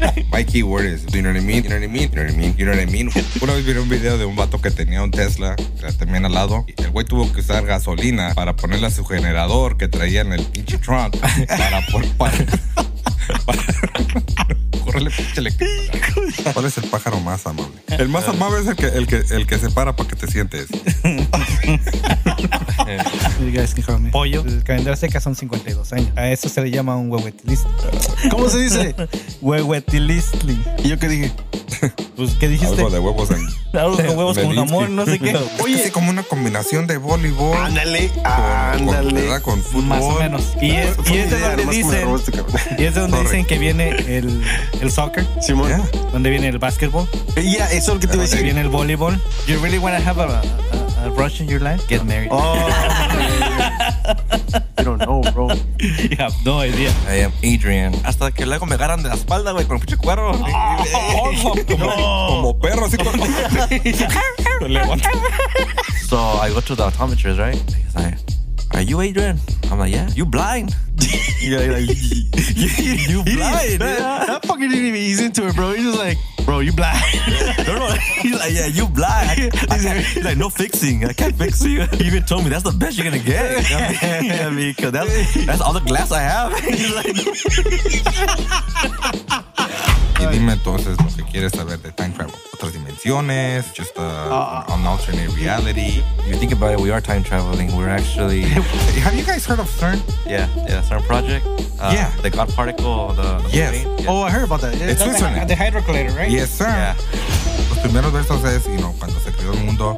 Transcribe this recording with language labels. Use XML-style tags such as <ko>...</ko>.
<en>My key word is, you know what I mean? You know what I mean? You know what I mean? You know what I mean?</en> <es>Una vez vi un video de un vato que tenía un Tesla, también al lado, y el güey tuvo que usar gasolina para ponerle a su generador que traía en el pinche trunk para correrle pinche electricidad. ¿Cuál es el pájaro más amable? El más amable es el que se para que te sientes. Pollo. El calendario seca son 52 años. A eso se le llama un huehuetilistli. ¿Cómo se dice? Huehuetilistli. ¿Y yo qué dije? Pues, ¿qué dijiste? Algo de huevos en... Algo con huevos con jamón, no sé qué. Oye, es como una combinación de voleibol. Ándale, ándale. Con fútbol. Más o menos. Y es donde dicen que viene el soccer. Simón. Yeah. Donde viene el básquetbol. Yeah, eso es lo que te iba a decir. Viene el voleibol.</es> <en>You really want to have a rush in your life? Get married. Oh, you don't know, bro. You have no idea. I am Adrian.</en> <es>Hasta que luego me agarran de la espalda, güey, con un pinche cuero. Como perro, así como...</es> <en>So I go to the optometrist, right? He's like, are you Adrian? I'm like, yeah. You blind? Yeah, like, you blind? That fucking didn't even ease into it, bro. He's just like, bro, you blind? He's like, yeah, you blind. He's like, no fixing. I can't fix you. He even told me that's the best you're gonna get. I mean, because that's all the glass I have. He's like,</en> <es>y dime entonces lo que quieres saber de time travel. Otras dimensiones,</es> <en>just an alternate reality. You think about it, we are time traveling. We're actually... Have you guys heard of CERN? Yeah, CERN project. Yeah. The God particle, the yes. Yeah. Oh, I heard about that. It's Switzerland. The hydrocollider, right? Yes, CERN. Yeah.</en> <es>Los primeros versos es,</es> <en>you know,</en> <es>cuando se creó el mundo.</es>